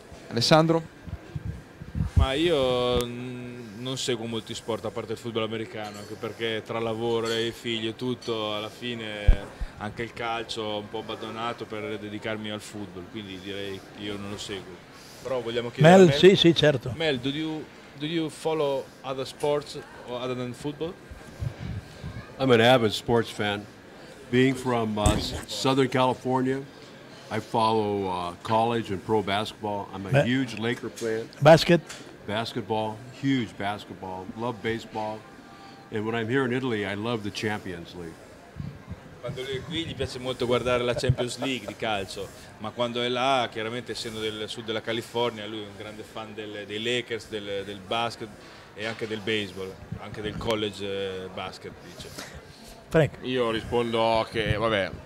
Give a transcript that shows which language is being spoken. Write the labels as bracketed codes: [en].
[it] Alessandro? Ma io non seguo molti sport a parte il football americano, anche perché tra lavoro e figli e tutto, alla fine anche il calcio ho un po' abbandonato per dedicarmi al football, quindi direi che io non lo seguo. Però vogliamo chiedere Mel, a Mel. Sì, sì, certo. [en] Mel, do you follow other sports other than football? I'm an avid sports fan. Being from Southern California, I follow college and pro basketball. I'm a huge Laker fan. Basketball, huge basketball. Love baseball. And when I'm here in Italy, I love the Champions League. [it] Quando lui è qui gli piace molto guardare la Champions League di calcio, ma quando è là, chiaramente essendo del sud della California, lui è un grande fan dei Lakers, del basket e anche del baseball, anche del college basket, dice. Frank. Io rispondo che, vabbè,